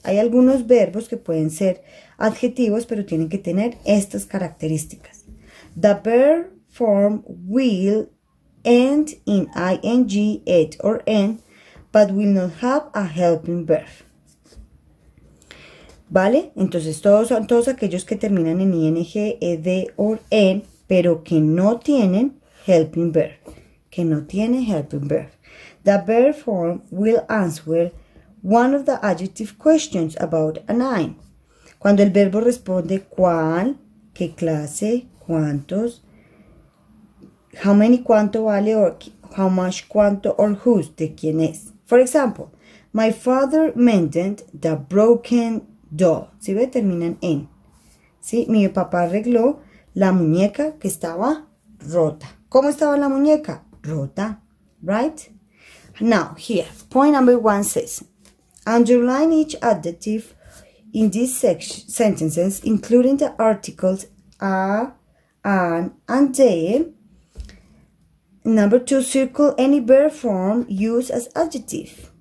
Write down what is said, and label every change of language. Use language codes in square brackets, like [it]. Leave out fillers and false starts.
[es] Hay algunos verbos que pueden ser adjetivos, pero tienen que tener estas características. [en] The verb form will end in ing, it or end, but will not have a helping verb. [es] ¿Vale? Entonces, todos aquellos que terminan en ing, ed or en, pero que no tienen helping verb. Que no tiene helping verb. [en] The verb form will answer one of the adjective questions about a noun. [es] Cuando el verbo responde cuál, qué clase, cuántos, [en] how many, [es] cuánto vale, [en] or how much, [es] cuánto, [en] or whose, [es] de quién es. [en] For example, my father mended the broken doll. [es] ¿Sí ve? Terminan en. ¿Sí? Mi papá arregló la muñeca que estaba rota. ¿Cómo estaba la muñeca? Rota, right? [en] Now, here, point number one says, underline each adjective in these sentences, including the articles a, an, and they. Number two, circle any verb form used as adjective.